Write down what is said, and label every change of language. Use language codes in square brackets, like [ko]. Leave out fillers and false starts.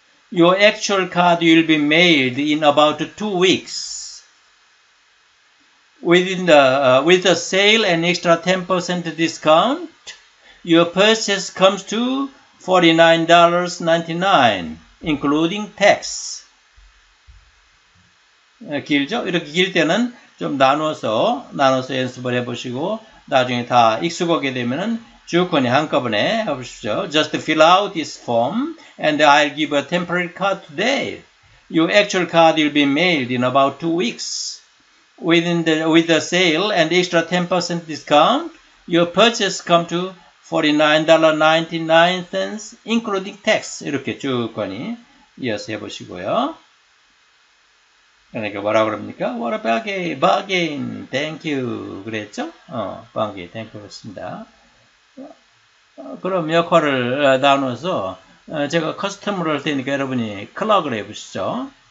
[en] Your actual card will be mailed in about 2 weeks. With the sale and extra 10% discount, your purchase comes to $49.99, including tax. [ko] 길죠? 이렇게 길 때는 좀 나눠서 연습을 해보시고, 나중에 다 익숙하게 되면은 주권이 한꺼번에 해보시죠. [en] Just fill out this form and I'll give a temporary card today. Your actual card will be mailed in about 2 weeks. With the sale and extra 10% discount, your purchase come to $49.99 including tax. [ko] 이렇게 주권이 이어서 해보시고요. 그러니까 뭐라 그럽니까? [en] What a bargain. Thank you. [ko] 그랬죠? [en] Bargain. Thank you. [ko] 그렇습니다. 그럼 역할을 나눠서 제가 커스텀을 할 테니까 여러분이 클럭을 해보시죠.